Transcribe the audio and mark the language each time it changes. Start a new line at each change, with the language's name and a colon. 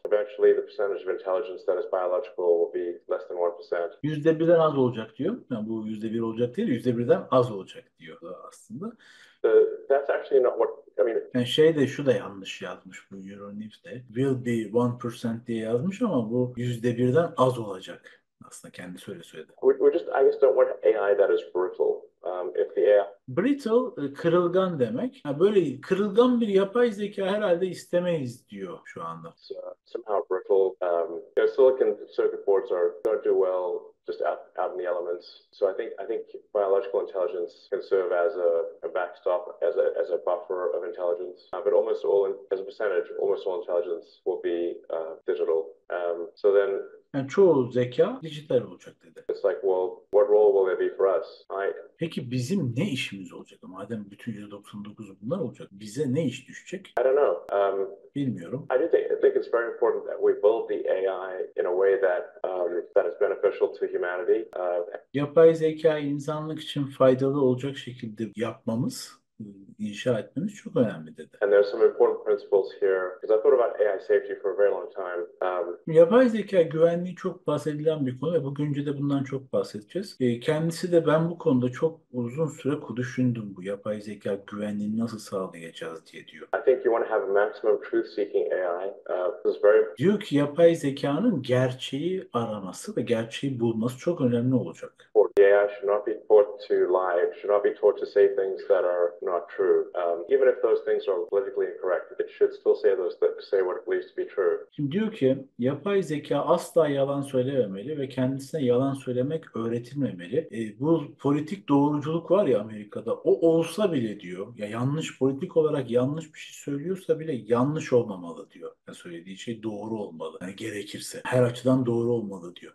English: Eventually, the percentage of intelligence that is biological will be less than 1%.
Turkish: %1'den az olacak diyor. Yani bu %1 olacak değil, %1'den az olacak diyor aslında.
English: That's actually not what I mean.
Turkish: Yani şey de, şu da yanlış yazmış, bu Euronews de.
English: Will be 1%
Turkish: diye yazmış ama bu %1'den az olacak. Aslında kendisi öyle söyledi.
English: I just don't want AI that is brutal. If the AI
Turkish: Brittle, kırılgan demek. Yani böyle kırılgan bir yapay zeka herhalde istemeyiz diyor şu anda.
English: somehow brittle, silicon circuit boards don't do well just out in the elements. So I think biological intelligence can serve as a backstop, as a buffer of intelligence. But almost all, as a percentage, almost all intelligence will be digital. So then.
Turkish: Yani çoğu zeka dijital olacak dedi.
English: It's like, well, what role will there be for us?
Turkish: Peki bizim ne işimiz olacak? Madem bütün %99'u bunlar olacak, bize ne iş düşecek?
English: I don't know.
Turkish: Bilmiyorum.
English: I do think it's very important that we build the AI in a way that is beneficial to humanity.
Turkish: Yapay zeka insanlık için faydalı olacak şekilde yapmamız, inşa etmemiz çok önemli dedi.
English: And there are some important principles here because I thought about AI safety for a very long time.
Turkish: Yapay zeka güvenliği çok bahsedilen bir konu ve bugün de bundan çok bahsedeceğiz. Kendisi de, ben bu konuda çok uzun süre düşündüm, bu yapay zeka güvenliğini nasıl sağlayacağız diye diyor.
English: I think you want to have a maximum truth seeking AI. This is very
Turkish: Diyor ki yapay zekanın gerçeği araması ve gerçeği bulması çok önemli olacak.
English: AI should not be taught to lie. It should not be taught to say things that are not true. Even if those things are politically incorrect, it should still say those that say what it believes to be true.
Turkish: Şimdi diyor ki yapay zeka asla yalan söylememeli ve kendisine yalan söylemek öğretilmemeli. Bu politik doğruculuk var ya Amerika'da, o olsa bile diyor, ya yanlış, politik olarak yanlış bir şey söylüyorsa bile yanlış olmamalı diyor. Yani söylediği şey doğru olmalı. Yani gerekirse her açıdan doğru olmalı diyor.